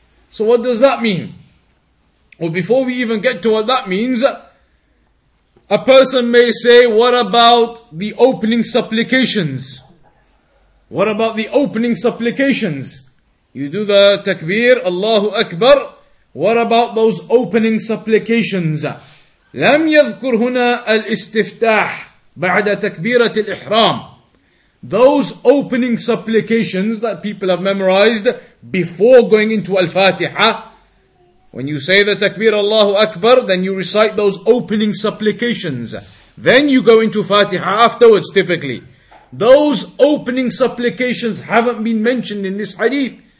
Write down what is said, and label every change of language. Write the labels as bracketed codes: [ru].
[en] So what does that mean? Well, before we even get to what that means, a person may say, what about the opening supplications? What about the opening supplications? You do the takbir, Allahu Akbar. What about those opening supplications? [ar] لم يذكر هنا الاستفتاح بعد تكبيرة الإحرام. [en] Those opening supplications that people have memorized before going into Al-Fatiha. When you say the takbir Allahu Akbar, then you recite those opening supplications. Then you go into Fatiha afterwards typically. Those opening supplications haven't been mentioned in this hadith.